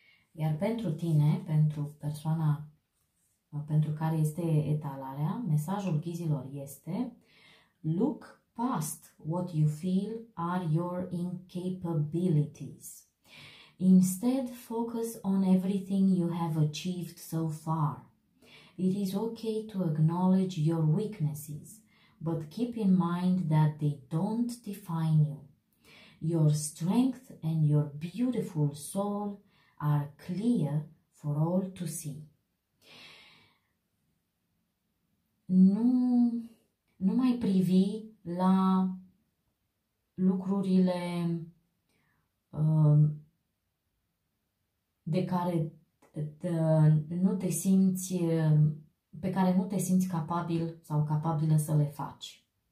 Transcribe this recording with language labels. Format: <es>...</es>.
<ro>Iar pentru tine, pentru persoana pentru care este etalarea, mesajul ghizilor este:</ro> <en>look past what you feel are your incapabilities. Instead, focus on everything you have achieved so far. It is okay to acknowledge your weaknesses, but keep in mind that they don't define you. Your strength and your beautiful soul are clear for all to see.</en> <ro>Nu mai privi la lucrurile de care nu te simți pe care nu te simți capabil sau capabilă să le faci.</ro>